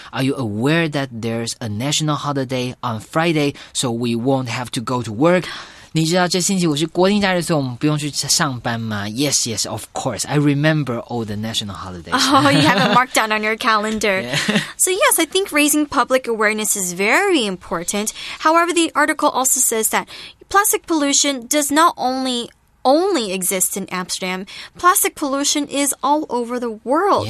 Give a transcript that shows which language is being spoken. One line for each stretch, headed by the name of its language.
English: Are you aware that there's a national holiday on Friday so we won't have to go to work？
Chinese: 你知道这星期我是国定假日，所以我们不用去上班吗？
English: Yes, yes, of course. I remember all the national holidays. Oh, you have a markdown on your calendar. Yeah. So yes, I think raising public awareness is very important. However, the article also says that plastic pollution does not only exist in Amsterdam. Plastic pollution is all over the world.